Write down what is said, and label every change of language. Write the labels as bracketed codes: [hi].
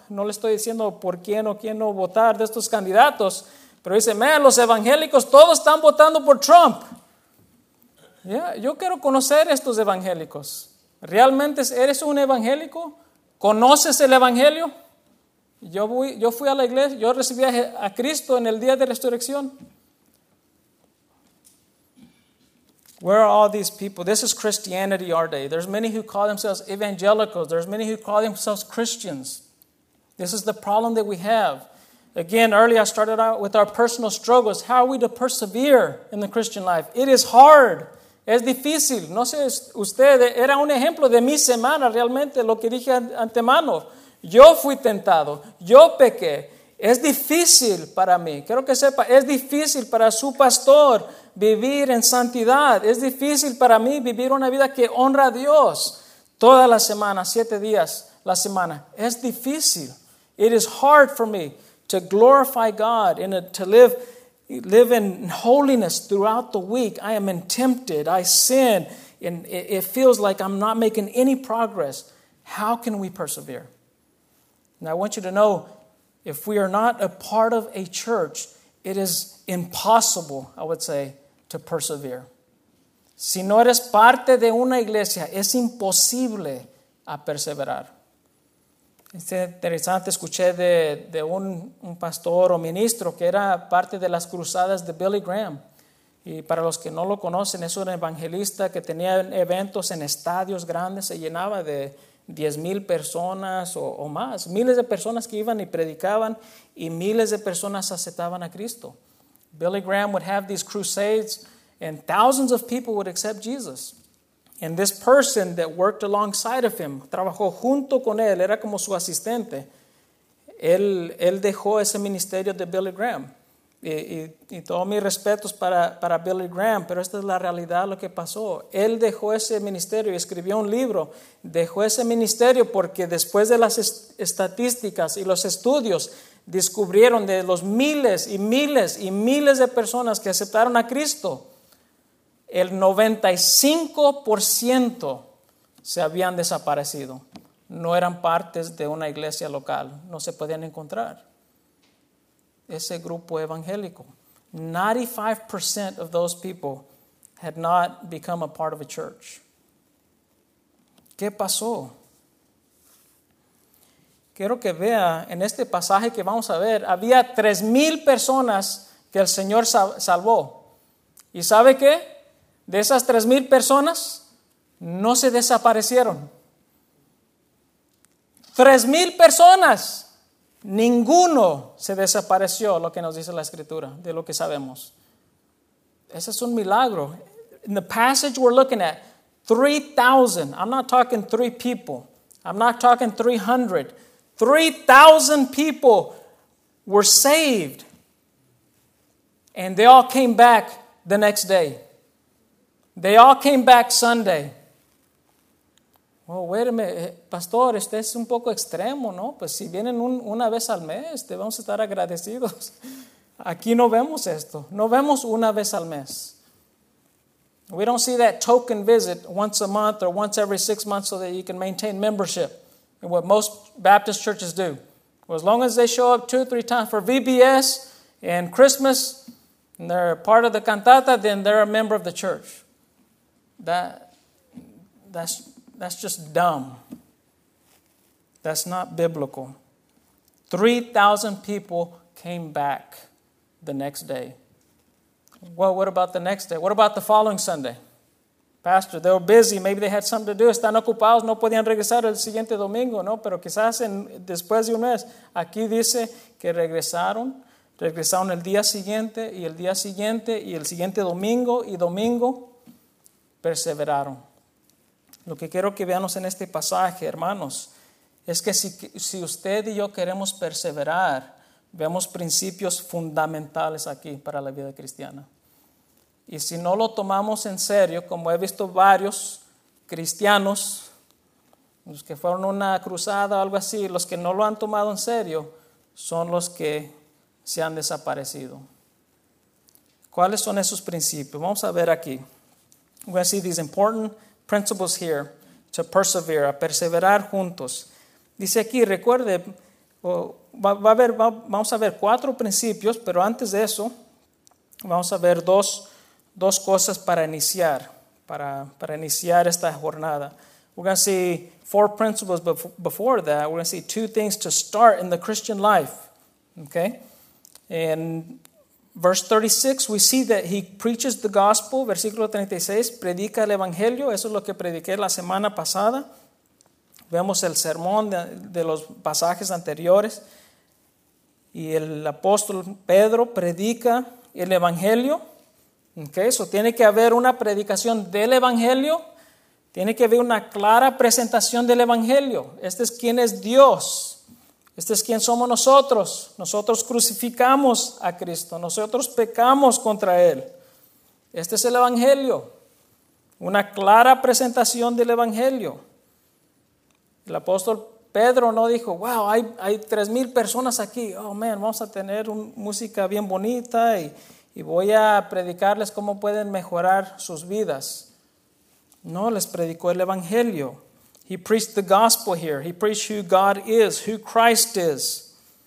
[es] No le estoy diciendo por quién o quién no votar de estos candidatos, pero dice, man, los evangélicos todos están votando por Trump. Yeah, yo quiero conocer estos evangélicos. ¿Realmente eres un evangélico? ¿Conoces el evangelio? Yo fui a la iglesia, yo recibí a Cristo en el día de resurrección. [en] Where are all these people? This is Christianity our day. There's many who call themselves evangelicals. There's many who call themselves Christians. This is the problem that we have. Again, earlier I started out with our personal struggles. How are we to persevere in the Christian life? It is hard. [es] Es difícil. No sé, usted era un ejemplo de mi semana, realmente, lo que dije antemano. Yo fui tentado. Yo pequé. Es difícil para mí. Quiero que sepa, es difícil para su pastor vivir en santidad. Es difícil para mí vivir una vida que honra a Dios. Toda la semana, 7 días la semana. Es difícil. [en] It is hard for me to glorify God and to live in holiness throughout the week. I am tempted. I sin. And it feels like I'm not making any progress. How can we persevere? Now I want you to know, if we are not a part of a church, it is impossible, I would say, to persevere. [es] Si no eres parte de una iglesia, es imposible a perseverar. Es interesante, escuché de un pastor o ministro que era parte de las cruzadas de Billy Graham. Y para los que no lo conocen, es un evangelista que tenía eventos en estadios grandes, se llenaba de 10,000 personas o más. Miles de personas que iban y predicaban y miles de personas aceptaban a Cristo. [en] Billy Graham would have these crusades and thousands of people would accept Jesus. And this person that worked alongside of him, [es] trabajó junto con él, era como su asistente. Él dejó ese ministerio de Billy Graham. Y todos mis respetos para Billy Graham, pero esta es la realidad, lo que pasó. Él dejó ese ministerio y escribió un libro. Dejó ese ministerio porque después de las estadísticas y los estudios, descubrieron de los miles y miles y miles de personas que aceptaron a Cristo, el 95% se habían desaparecido. No eran partes de una iglesia local. No se podían encontrar. Ese grupo evangélico. [en] 95% of those people had not become a part of a church. [es] ¿Qué pasó? Quiero que vea en este pasaje que vamos a ver, había 3,000 personas que el Señor salvó. ¿Y sabe qué? De esas 3,000 personas, no se desaparecieron. 3,000 personas, ninguno se desapareció, lo que nos dice la Escritura, de lo que sabemos. Ese es un milagro. [en] In the passage we're looking at, 3,000, I'm not talking 3 people, I'm not talking 300, 3,000 people were saved. And they all came back the next day. They all came back Sunday. Well, wait a minute. [es] Pastor, este es un poco extremo, ¿no? Pues si vienen una vez al mes, te vamos a estar agradecidos. Aquí no vemos esto. No vemos una vez al mes. [en] We don't see that token visit once a month or once every 6 months so that you can maintain membership. And what most Baptist churches do. Well, as long as they show up 2 or 3 times for VBS and Christmas, and they're part of the cantata, then they're a member of the church. That's just dumb. That's not biblical. 3,000 people came back the next day. Well, what about the next day? What about the following Sunday? Pastor, they were busy. Maybe they had something to do. [es] Están ocupados. No podían regresar el siguiente domingo, ¿no? Pero quizás después de un mes. Aquí dice que regresaron. Regresaron el día siguiente y el día siguiente y el siguiente domingo y domingo perseveraron. Lo que quiero que veamos en este pasaje, hermanos, es que si usted y yo queremos perseverar, vemos principios fundamentales aquí para la vida cristiana. Y si no lo tomamos en serio, como he visto varios cristianos, los que fueron a una cruzada o algo así, los que no lo han tomado en serio son los que se han desaparecido. ¿Cuáles son esos principios? Vamos a ver aquí. [en] We're going to see these important principles here to persevere, [es] a perseverar juntos. Dice aquí, recuerde, vamos a ver 4 principios, pero antes de eso, vamos a ver dos cosas para iniciar, para iniciar esta jornada. [en] We're going to see 4 principles, but before that, we're going to see 2 things to start in the Christian life. Okay? And verse 36, we see that he preaches the gospel. [es] Versículo 36, predica el evangelio. Eso es lo que prediqué la semana pasada. Vemos el sermón de los pasajes anteriores. Y el apóstol Pedro predica el evangelio. Okay, so tiene que haber una predicación del evangelio. Tiene que haber una clara presentación del evangelio. Este es quién es Dios. Este es quien somos nosotros. Nosotros crucificamos a Cristo. Nosotros pecamos contra Él. Este es el Evangelio. Una clara presentación del Evangelio. El apóstol Pedro no dijo, wow, hay 3,000 personas aquí. Oh, man, vamos a tener música bien bonita y voy a predicarles cómo pueden mejorar sus vidas. No, les predicó el Evangelio. [en] He preached the gospel here. He preached who God is, who Christ is.